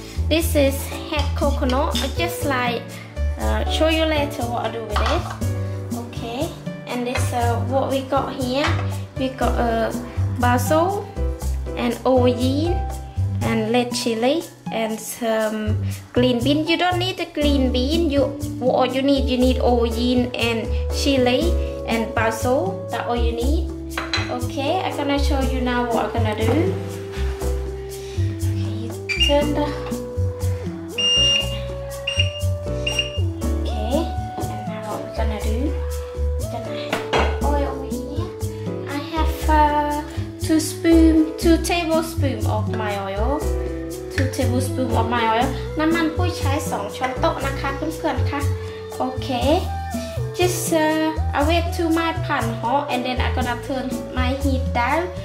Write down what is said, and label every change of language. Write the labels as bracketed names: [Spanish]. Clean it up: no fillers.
[English] this is head coconut I just like show you later what I do with it okay and this what we got here we got basil and onion and red chili and some green bean you don't need the green bean you need onion and chiliAnd basil, that's all you need. Okay, I'm gonna show you now what I'm gonna do. Okay, you turn the... Okay, and now what we're gonna do, we're gonna add oil over here. I have 2 tablespoons of my oil. 2 tablespoons of my oil. [Thai] น้ำมันปุ้ยใช้2ช้อนโต๊ะนะคะเพื่อนๆค่ะ Okay. [English] Just I wait to my pan hot and then I'm gonna turn my heat down.